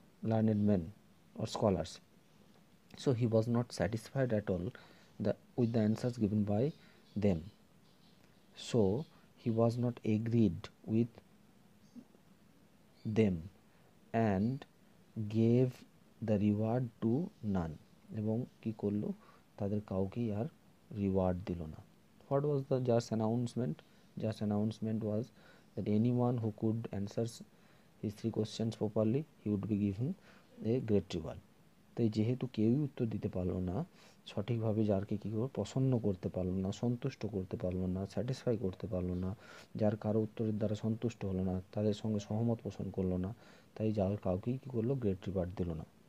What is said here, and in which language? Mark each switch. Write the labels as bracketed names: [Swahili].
[English] Learned man or scholars, so he was not satisfied at all the with the answers given by them, so he was not agreed with them and gave the reward to none. [Bangla] এবং কি করলো, তাদের কাউকেই আর reward দিল না। [English] What was the just announcement? Just announcement was that anyone who could answers his three questions properly he would be given a great reward. [Bangla] তাই যেহেতু কেউই উত্তর দিতে পারলো না সঠিকভাবে, যারকে কী করে প্রসন্ন করতে পারলো না, সন্তুষ্ট করতে পারলো না, স্যাটিসফাই করতে পারলো না, যার কারো উত্তরের দ্বারা সন্তুষ্ট হলো না, তাদের সঙ্গে সহমত পোষণ করলো না, তাই যার কাউকেই কী করলো, গ্রেট রিওয়ার্ড দিল না।